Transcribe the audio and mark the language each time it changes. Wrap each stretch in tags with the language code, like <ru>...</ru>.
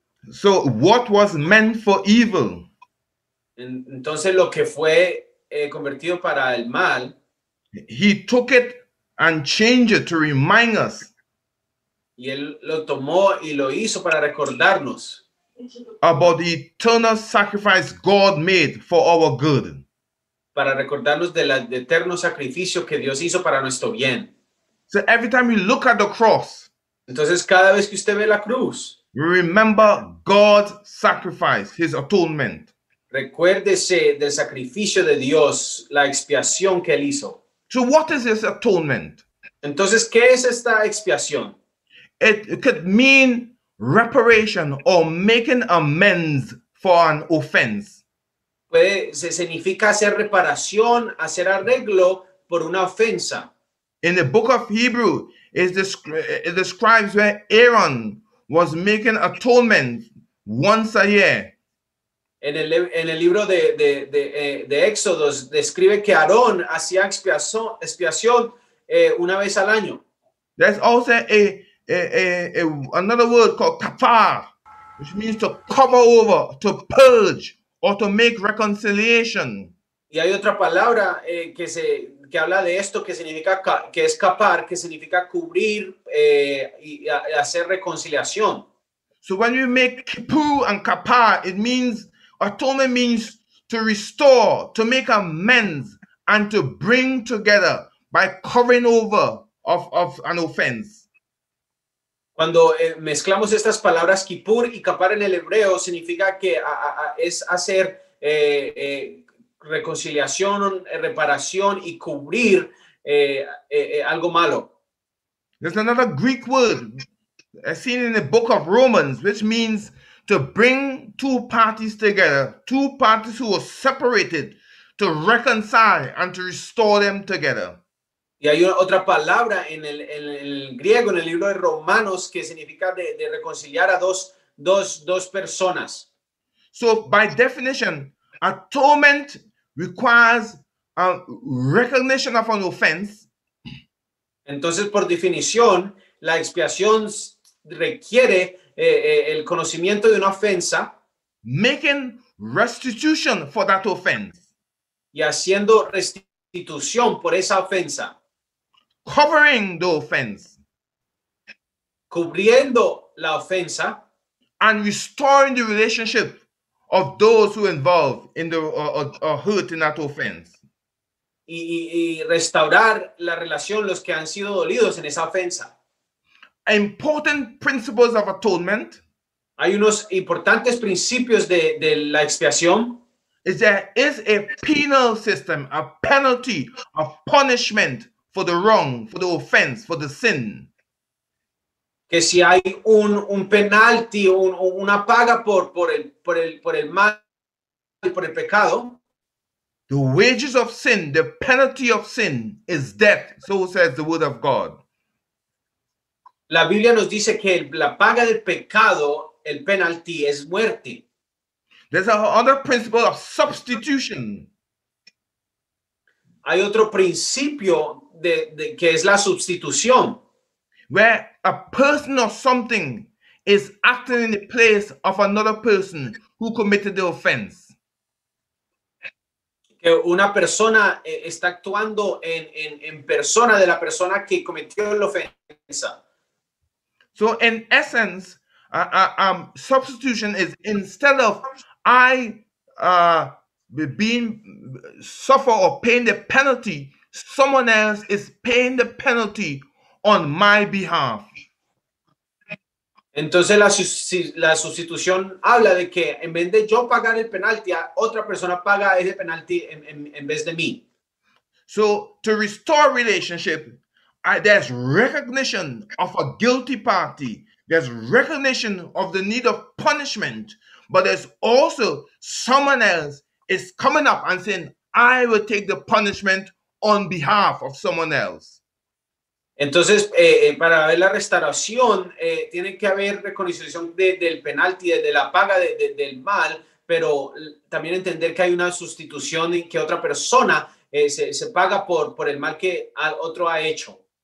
<en>So what was meant for evil.</en> <es>Entonces lo que fue convertido para el mal.</es> <en>He took it. And change it to remind us.</en> <es>Y él lo tomó y lo hizo para recordarnos.</es> <en>About the eternal sacrifice God made for our good.</en> <es>Para recordarnos del eterno sacrificio que Dios hizo para nuestro bien.</es> <en>So every time you look at the cross.</en> <es>Entonces cada vez que usted ve la cruz.</es> <en>Remember God's sacrifice, his atonement.</en> <es>Recuérdese del sacrificio de Dios, la expiación que él hizo.</es> <en>So what is this atonement?</en> <es>Entonces, ¿qué es esta expiación?</es> <en>It could mean reparation or making amends for an offense.</en> <es>Puede, significa hacer reparación, hacer arreglo por una ofensa.</es> <en>In the book of Hebrews, it describes where Aaron was making atonement once a year.</en> <es>En el libro de Éxodos describe que Aarón hacía expiación una vez al año.</es> <en>There's also another word called kafar, which means to cover over, to purge, or to make reconciliation.</en> <es>Y hay otra palabra que habla de esto que significa que es kafar, que significa cubrir y hacer reconciliación.</es> <en>So when you make kippur and kafar, it means atonement means to restore, to make amends, and to bring together by covering over of an offense.</en> <es>Cuando mezclamos estas palabras, kippur y kapar en el hebreo, significa que es hacer reconciliación, reparación y cubrir algo malo.</es> <en>There's another Greek word seen in the book of Romans, which means to bring two parties together, two parties who were separated, to reconcile and to restore them together.</en> <es>Y hay otra palabra en el griego, en el libro de Romanos, que significa de reconciliar a dos personas.</es> <en>So by definition, atonement requires a recognition of an offense.</en> <es>Entonces, por definición, la expiación requiere el conocimiento de una ofensa,</es> <en>making restitution for that offense,</en> <es>y haciendo restitución por esa ofensa,</es> <en>covering the offense,</en> <es>cubriendo la ofensa,</es> <en>and restoring the relationship of those who involved in the hurt in that offense.</en> <es>Y restaurar la relación los que han sido dolidos en esa ofensa.</es> <en>Important principles of atonement.</en> <es>Hay unos importantes principios de la expiación.</es> <en>Is there is a penal system, a penalty, a punishment for the wrong, for the offense, for the sin.</en> <es>Que si hay un penalti, una paga por el mal y por el pecado.</es> <en>The wages of sin, the penalty of sin is death, so says the word of God.</en> <es>La Biblia nos dice que la paga del pecado, el penalti, es muerte.</es> <en>There's another principle of substitution.</en> <es>Hay otro principio de que es la sustitución.</es> <en>Where a person or something is acting in the place of another person who committed the offense.</en> <es>Que una persona está actuando en persona de la persona que cometió la ofensa.</es> <en>So in essence, substitution is instead of I being suffer or paying the penalty, someone else is paying the penalty on my behalf.</en> <es>Entonces la sustitución habla de que en vez de yo pagar el penalti, otra persona paga ese penalti en vez de mí.</es> <en>So to restore relationship, there's recognition of a guilty party. There's recognition of the need of punishment. But there's also someone else is coming up and saying, I will take the punishment on behalf of someone else.</en> <es>Entonces, para ver la restauración, tiene que haber reconciliación del penalti, de la paga del mal, pero también entender que hay una sustitución y que otra persona se paga por el mal que otro ha hecho.</es>